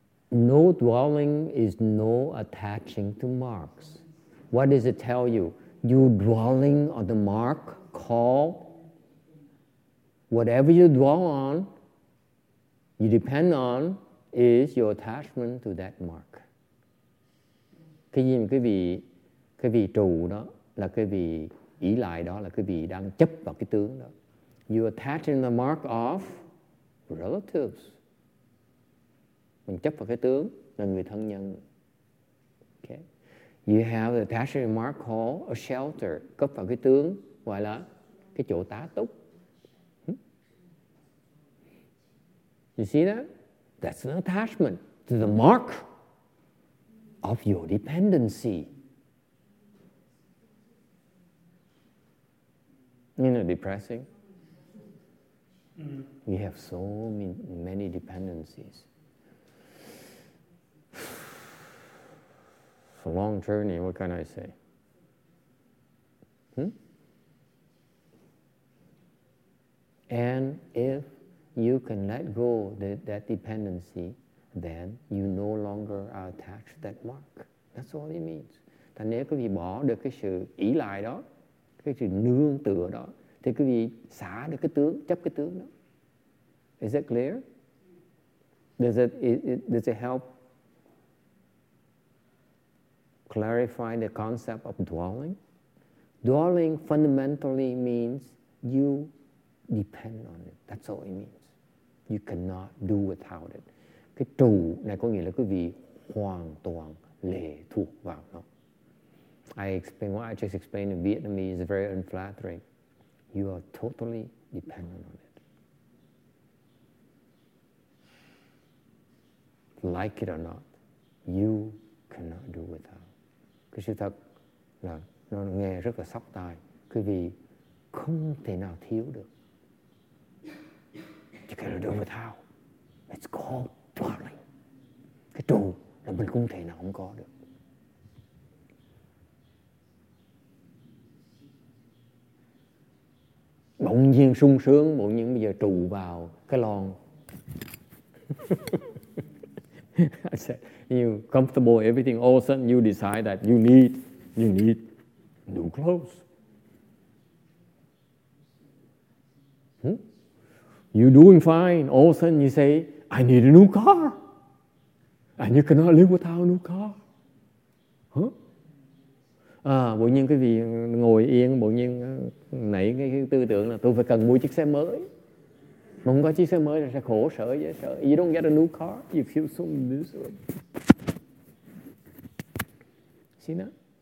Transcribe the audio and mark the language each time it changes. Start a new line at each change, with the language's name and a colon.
English: No dwelling is no attaching to marks. What does it tell you? You dwelling on the mark, call, whatever you dwell on, you depend on, is your attachment to that mark.
Vietnamese: Cái gì mà cái vị trụ đó là cái vị ý lại đó là cái vị đang chấp vào cái tướng đó.
English: You attach in the mark of relatives.
Vietnamese: Mình chấp vào cái tướng là người thân nhân.
English: Okay. You have the attachment mark called a shelter.
Vietnamese: Chấp vào cái tướng gọi là cái chỗ tá túc.
English: You see that? That's an attachment to the mark of your dependency. You know, depressing. Mm-hmm. We have so many dependencies. It's a long journey, what can I say? And if you can let go that dependency, then you no longer are attached to that mark. That's all it means.
Vietnamese: Thành nếu quý vị bỏ được cái sự ý lại đó, cái sự nương tựa đó, thì quý vị xả được cái tướng, chấp cái tướng đó.
English: Is that clear? Does it help clarify the concept of dwelling? Dwelling fundamentally means you depend on it. That's all it means. You cannot do without it.
Vietnamese: Cái trụ này có nghĩa là quý vị hoàn toàn lệ thuộc vào nó.
English: I just explained in Vietnamese is very unflattering. You are totally dependent on it. Like it or not, you cannot do without.
Vietnamese: Cái sự thật là nó nghe rất là sóc tai. Quý vị không thể nào thiếu được.
English: You cannot do without. It's called dwelling.
Vietnamese: Cái trụ là mình không thể nào không có được. Bỗng nhiên sung sướng, bỗng nhiên bây giờ trụ vào cái lon.
English: I said, you comfortable, everything, all of a sudden you decide that you need new clothes. You're doing fine. All of a sudden you say, I need a new car. And you cannot live without a new car. Huh?
Vietnamese: À, bỗng nhiên cái vị ngồi yên, bỗng nhiên nảy cái tư tưởng là tôi phải cần mua chiếc xe mới. Mà không có chiếc xe mới là sẽ khổ sở, dễ sợ.
English: You don't get a new car. You feel so miserable. See that?